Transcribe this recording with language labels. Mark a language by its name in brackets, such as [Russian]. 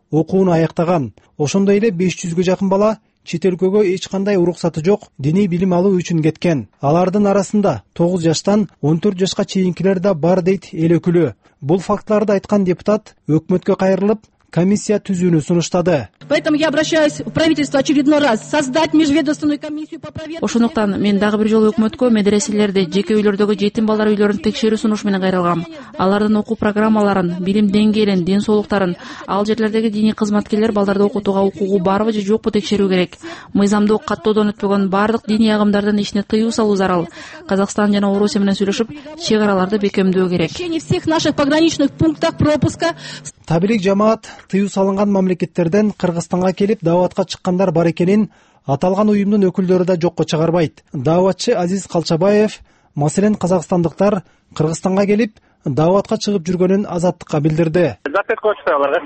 [Kyrgyz] окуун аяктаган. Ошондой эле 500 жакын бала чет өлкөгө эч кандай уруксаты жок диний билим алуу үчүн кеткен. Алардын арасында 9 жаштан 14 жашка чейинкилер да бар, дейт эл өкүлү. Бул фактыларды айткан депутат өкмөткө кайрылып комиссия түзүүнү сунуштады. [Russian] Поэтому я обращаюсь в правительство очередной раз создать межведомственную комиссию по проверке. [Kyrgyz] Ошондуктан мен дагы бир жолу өкмөткө медреселерди, жеке үйлөрдөгү жетим балдар үйлөрүн текшерүү сунуш менен кайрылгам. Алардын окуу программаларын, билим деңгээлин, ден соолуктарын, ал жерлердеги диний кызматкерлер балдарды окутууга укугу барбы же жокпу текшерүү керек. Мыйзамдуу каттоодон өтпөгөн бардык диний агымдардын ишине тыюу салуу зарыл. Казакстан жана Орусия менен сүйлөшүп, чек араларды бекемдөө керек. [Russian] Всех наших пограничных пунктах пропуска. [Kyrgyz] Таблик жамаат тыюу салынган мамлекеттерден Кыргызстанга келип дааватка чыккандар бар экенин аталган уюмдун өкүлдөрү да жокко чыгарбайт. Даавачы Азиз Калчабаев, маселен, казакстандыктар Кыргызстанга келип дааватка чыгып жүргөнүн азаттыкка билдирди. Запрет коюшту аларга.